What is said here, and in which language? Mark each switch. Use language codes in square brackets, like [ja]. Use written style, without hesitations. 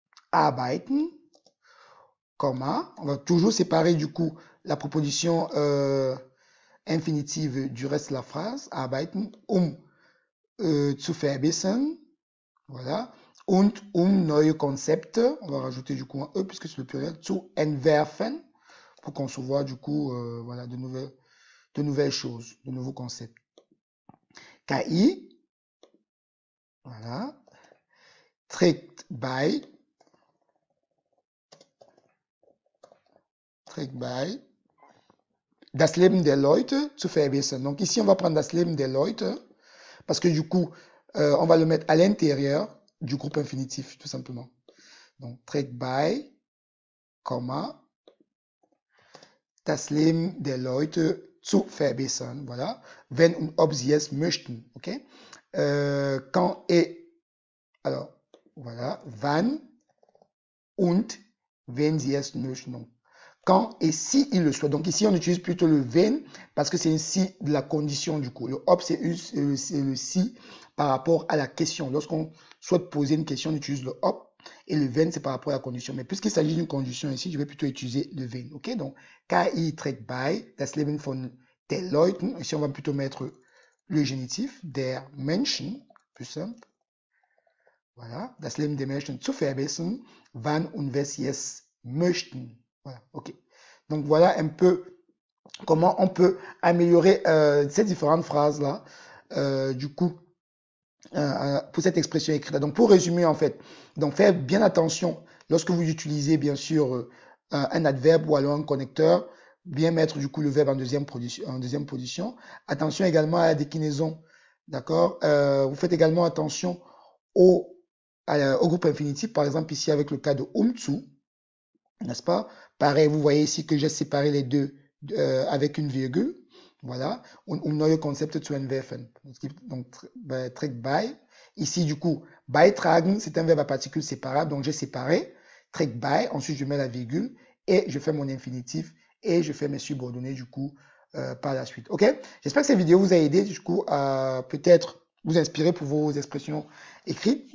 [fr] arbeiten, comma, on va toujours séparer, du coup, la proposition infinitive du reste de la phrase, arbeiten, [de] zu verbessern, [fr] voilà, [de] und neue Konzepte, [fr] on va rajouter du coup un E puisque c'est le pluriel, [de] zu entwerfen, [fr] pour concevoir du coup, voilà, de nouvelles choses, de nouveaux concepts. [de] KI, voilà, trägt bei, das Leben der Leute zu verbessern. [fr] Donc ici, on va prendre [de] das Leben der Leute, [fr] parce que du coup, on va le mettre à l'intérieur du groupe infinitif, tout simplement. [de] Donc, trägt bei, comma, das Leben der Leute zu verbessern. Voilà. Wenn und ob sie es möchten. Okay? [fr] Quand et, alors, voilà, [de] wann und wenn sie es möchten. [fr] Donc, quand et si il le souhaite. Donc ici, on utilise plutôt le wenn parce que c'est une si de la condition du coup. Le ob, c'est le si par rapport à la question. Lorsqu'on souhaite poser une question, on utilise le ob et le wenn, c'est par rapport à la condition. Mais puisqu'il s'agit d'une condition ici, je vais plutôt utiliser le wenn. OK? [de] Donc, KI trägt bei, das Leben von den Leuten. [fr] Ici, on va plutôt mettre le génitif, [de] der Menschen, [fr] plus simple. Voilà. [de] Das Leben des Menschen zu verbessern, wann und wer sie es möchten. [fr] Voilà, ok. Donc voilà un peu comment on peut améliorer ces différentes phrases-là, du coup, pour cette expression écrite-là. Donc pour résumer en fait, donc faites bien attention lorsque vous utilisez bien sûr un adverbe ou alors un connecteur, bien mettre du coup le verbe en deuxième position. Attention également à la déclinaison, d'accord? Vous faites également attention au groupe infinitif, par exemple ici avec le cas de umzu, n'est-ce pas? Pareil, vous voyez ici que j'ai séparé les deux avec une virgule. Voilà. [de] Un neue Konzepte zu entwerfen. Donc, trägt bei. [fr] Ici, du coup, beitragen, c'est un verbe à particules séparables. Donc, j'ai séparé. [de] Trägt bei. [fr] Ensuite, je mets la virgule et je fais mon infinitif et je fais mes subordonnées, du coup, par la suite. OK? J'espère que cette vidéo vous a aidé, du coup, à peut-être vous inspirer pour vos expressions écrites.